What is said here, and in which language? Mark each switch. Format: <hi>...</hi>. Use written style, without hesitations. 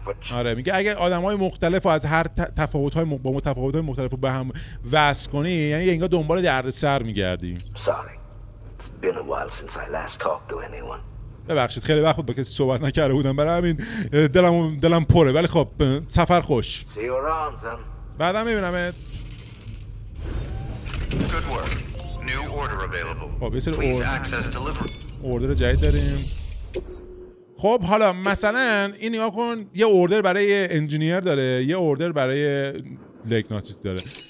<fa>آره میگه اگه آدمای مختلف و از هر تفاوت‌های با متفاوت‌های مختلف رو به هم وصل کنی، یعنی انگار دنبال دردسر می‌گردی.</fa> <en>Been a while since I last talked to anyone.</en> <fa>ببخشید خیلی وقت بود با کسی صحبت نکرده بودم، برای همین دلم پره. ولی خب سفر خوش. بعدا میبینمت.</fa> <en>Good work. New order available.</en> <fa>خب بسیار اوردر جدید داریم. خب حالا مثلا این نگاه کن، یه اوردر برای انجینیر داره، یه اوردر برای لکناتیست داره.</fa>